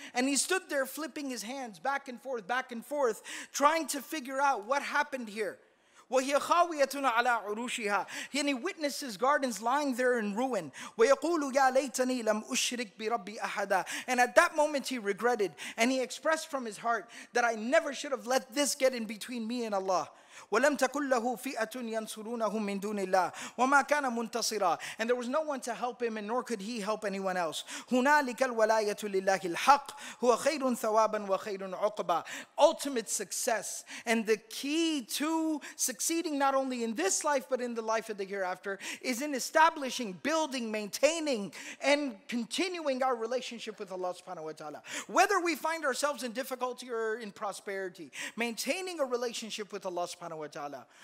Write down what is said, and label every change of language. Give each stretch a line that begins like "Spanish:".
English: And he stood there flipping his hands back and forth, trying to figure out what happened here.
Arabic: وَهِيَ خَاوِيَةٌ عَلَىٰ عُرُوشِهَا.
English: And he witnesses gardens lying there in ruin.
Arabic: وَيَقُولُ يَا لَيْتَنِي لَمْ أُشْرِكْ بِرَبِّي أَحَدًا.
English: And at that moment he regretted, and he expressed from his heart that I never should have let this get in between me and Allah.
Arabic: ولم تكن له فئة ينصرونه من دون الله وما كان منتصرا.
English: And there was no one to help him, and nor could he help anyone else.
Arabic: هنالك الولاية لله الحق هو خير ثوابا وخير عقبا.
English: Ultimate success and the key to succeeding not only in this life but in the life of the hereafter is in establishing, building, maintaining, and continuing our relationship with Allah subhanahu wa ta'ala. Whether we find ourselves in difficulty or in prosperity, maintaining a relationship with Allah subhanahu wa ta'ala.